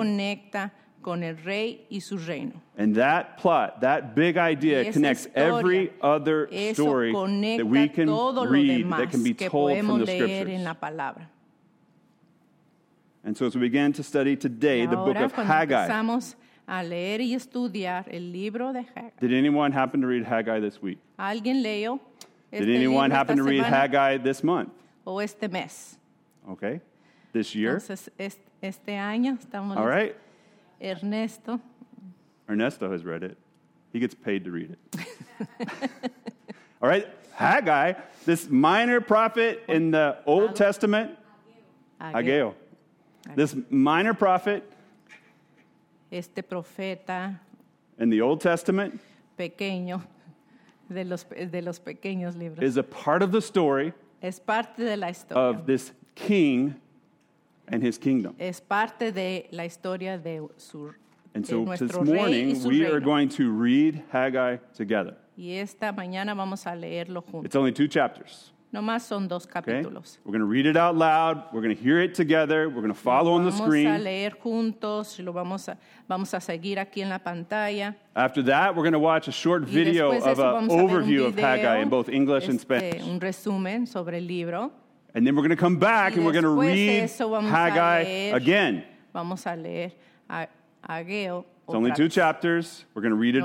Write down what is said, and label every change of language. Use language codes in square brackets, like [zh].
[es] Se conecta con el rey y su reino. [en] And that plot, that big idea, connects [es] historia, [en] every other story that we can read, that can be told from the scriptures. [es] En la palabra. [en] And so as we begin to study today, [es] ahora, [en] the book of Haggai. [es] Empezamos a leer y estudiar el libro de Haggai. [en] Did anyone happen to read Haggai this week? [es] ¿Alguien leyó? [en] Did anyone happen to read Haggai this month? [es] O este mes. [en] Okay. This year? [es] Entonces, este año estamos. [en] All right. Ernesto. Ernesto has read it. He gets paid to read it. All right. Haggai, this minor prophet in the Old Testament. [es] Ageo. [en] This minor prophet. [es] Este profeta. [en] In the Old Testament. [es] Pequeño. De los pequeños libros. [en] Is a part of the story [es] es parte de la historia. [en] Of this king and his kingdom. [es] Es parte de la historia de su, [en] and [es] de [en] so [es] nuestro [en] this morning we [es] reino. [en] Are going to read Haggai together. [es] Y esta mañana vamos a leerlo juntos. [en] It's only two chapters. [es] No más son dos capítulos. [en] Okay? We're going to read it out loud. We're going to hear it together. We're going to follow [es] vamos [en] on the screen. [es] A leer juntos. Lo vamos a seguir aquí en la pantalla. [en] After that, we're going to watch a short video of an overview [es] video [en] of Haggai in both English and Spanish. [es] Un resumen sobre el libro. [en] And then we're going to come back and we're going to read Haggai again. [es] Vamos a leer a Geo. [en] It's only two chapters. We're going to read it